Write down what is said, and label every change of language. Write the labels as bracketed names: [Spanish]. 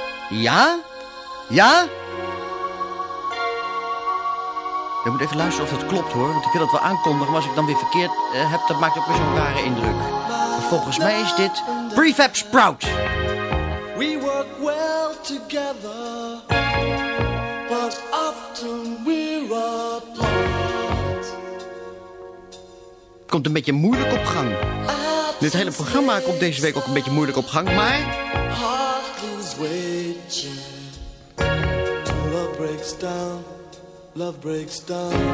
[Dutch] Ja? Ja? Je moet even luisteren of dat klopt hoor, want ik wil dat wel aankondigen, maar als ik dan weer verkeerd heb, dat maakt ook weer zo'n rare indruk. Maar volgens mij is dit Prefab Sprout. [English] We work well together, but often we're apart. [Dutch] Komt een beetje moeilijk op gang. Dit hele programma komt deze week ook een beetje moeilijk op gang, maar... [English] Heart is waiting, love breaks down. Love breaks down.